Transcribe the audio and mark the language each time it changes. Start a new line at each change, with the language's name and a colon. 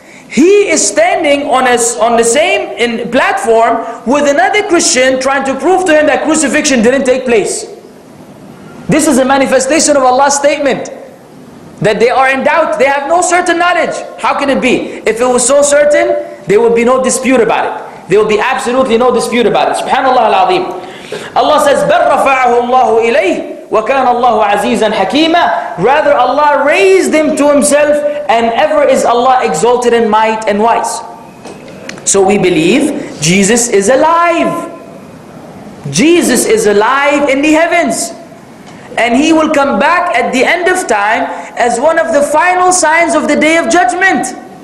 English: He is standing on the same platform with another Christian trying to prove to him that crucifixion didn't take place. This is a manifestation of Allah's statement that they are in doubt. They have no certain knowledge. How can it be? If it was so certain, there would be no dispute about it. There would be absolutely no dispute about it.
Arabic: Subhanallah al-Azim.
English: Allah says,
Arabic: بَلْ رَفَعَهُ اللَّهُ إِلَيْهِ وَكَانَ اللَّهُ عَزِيزًا حَكِيمًا.
English: Rather, Allah raised him to himself, and ever is Allah exalted in might and wise. So we believe Jesus is alive. Jesus is alive in the heavens. And he will come back at the end of time as one of the final signs of the day of judgment.